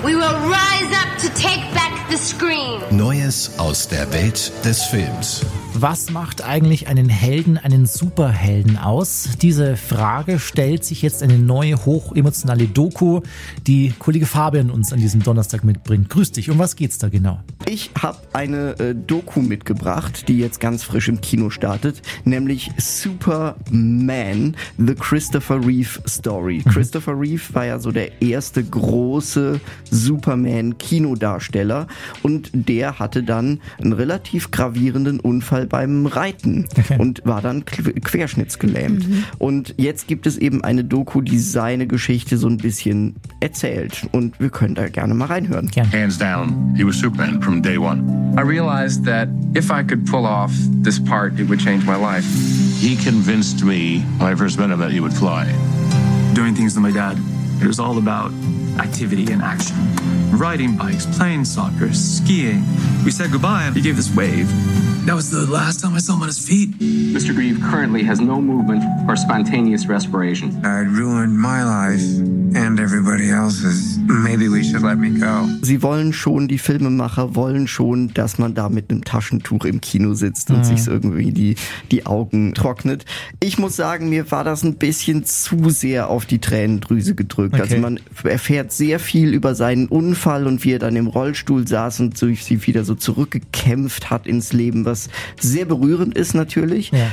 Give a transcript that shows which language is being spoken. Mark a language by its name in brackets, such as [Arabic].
[English] We will rise up to take back the screen. [German] Neues aus der Welt des Films. Was macht eigentlich einen Helden, einen Superhelden aus? Diese Frage stellt sich jetzt eine neue, hochemotionale Doku, die Kollege Fabian uns an diesem Donnerstag mitbringt. Grüß dich, um was geht's da genau? Ich habe eine Doku mitgebracht, die jetzt ganz frisch im Kino startet, nämlich Superman, The Christopher Reeve Story. Christopher Reeve war ja so der erste große Superman-Kinodarsteller und der hatte dann einen relativ gravierenden Unfall beim Reiten und war dann querschnittsgelähmt. Mhm. Und jetzt gibt es eben eine Doku, die seine Geschichte so ein bisschen erzählt. Und wir können da gerne mal reinhören. Gerne. [English] Hands down, he was Superman from day one. I realized that if I could pull off this part, it would change my life. He convinced me when I first met him that he would fly. Doing things with my dad, it was all about activity and action. Riding bikes, playing soccer, skiing. We said goodbye and he gave this wave. That was the last time I saw him on his feet. Mr. Grieve currently has no movement or spontaneous respiration. I'd ruined my life and everybody else's. Maybe we should let me go. [German] Sie wollen schon, die Filmemacher wollen schon, dass man da mit einem Taschentuch im Kino sitzt und sich irgendwie die Augen trocknet. Ich muss sagen, mir war das ein bisschen zu sehr auf die Tränendrüse gedrückt. Okay. Also man erfährt sehr viel über seinen Unfall und wie er dann im Rollstuhl saß und sich wieder so zurückgekämpft hat ins Leben, was sehr berührend ist natürlich. Ja.